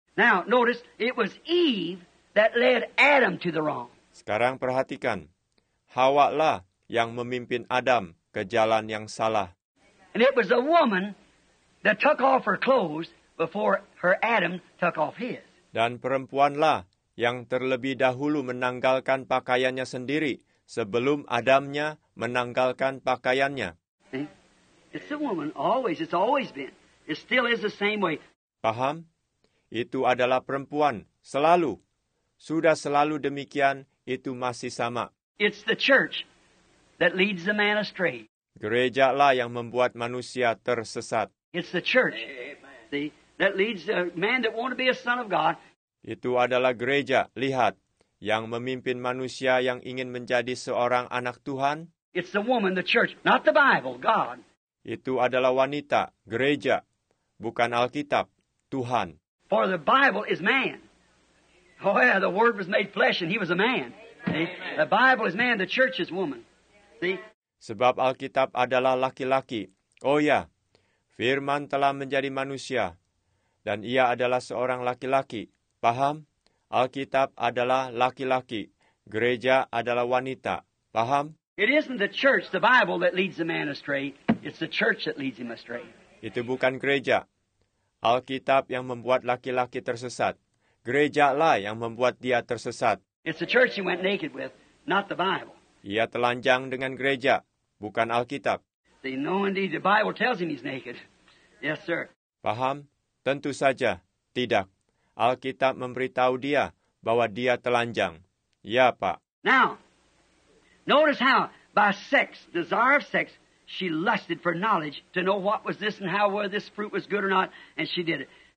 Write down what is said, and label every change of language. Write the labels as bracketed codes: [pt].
[en] Now, notice, it was Eve that led Adam to the wrong. [id] Sekarang perhatikan, Hawa lah yang memimpin Adam ke jalan yang salah. [en] And it was a woman that took off her clothes before her Adam took off his. [id] Dan perempuanlah yang terlebih dahulu menanggalkan pakaiannya sendiri sebelum Adamnya menanggalkan pakaiannya. [en] It's the woman always, it's always been. It still is the same way. Paham? [id] Itu adalah perempuan, selalu. Sudah selalu demikian, itu masih sama. [en] It's the church that leads the man astray. [id] Gereja lah yang membuat manusia tersesat. [en] It's the church, see, that leads the man that want to be a son of God. [id] Itu adalah gereja, lihat, yang memimpin manusia yang ingin menjadi seorang anak Tuhan. [en] It's the woman, the church, not the Bible, God. [id] Itu adalah wanita, gereja, bukan Alkitab, Tuhan. [en] For the Bible is man. Oh yeah, the Word was made flesh and He was a man. See? The Bible is man, the church is woman. See? [id] Sebab Alkitab adalah laki-laki. Oh ya, Firman telah menjadi manusia. Dan ia adalah seorang laki-laki. Paham? Alkitab adalah laki-laki. Gereja adalah wanita. Paham? [en] It isn't the church, the Bible, that leads the man astray. It's the church that leads him astray. [id] Itu bukan gereja. Alkitab yang membuat laki-laki tersesat. Gereja lah yang membuat dia tersesat. [en] It's the church he went naked with, not the Bible. [id] Ia telanjang dengan gereja, bukan Alkitab. [en] See, no, indeed, the Bible tells him he's naked. Yes, sir. [id] Paham? Tentu saja, tidak. Alkitab memberitahu dia bahwa dia telanjang. Ya, Pak. [en] Now, notice how by sex, desire of sex, she lusted for knowledge to know what was this and how whether this fruit was good or not, and she did it.